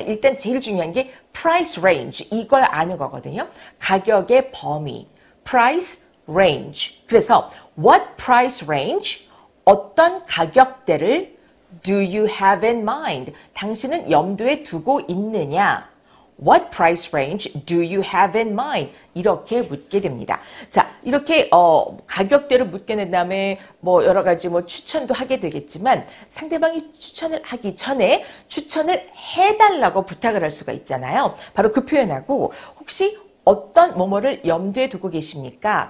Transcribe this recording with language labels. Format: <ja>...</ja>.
<ko>일단 제일 중요한 게</ko> <en>price range,</en> <ko>이걸 아는 거거든요. 가격의 범위,</ko> <en>price range.</en> <ko>그래서</ko> <en>what price range?</en> <ko>어떤 가격대를</ko> <en>do you have in mind?</en> <ko>당신은 염두에 두고 있느냐?</ko> <en>What price range do you have in mind?</en> <ko>이렇게 묻게 됩니다. 자, 이렇게 가격대를 묻게 된 다음에 뭐 여러 가지 뭐 추천도 하게 되겠지만 상대방이 추천을 하기 전에 추천을 해달라고 부탁을 할 수가 있잖아요. 바로 그 표현하고 혹시 어떤 뭐뭐를 염두에 두고 계십니까?</ko>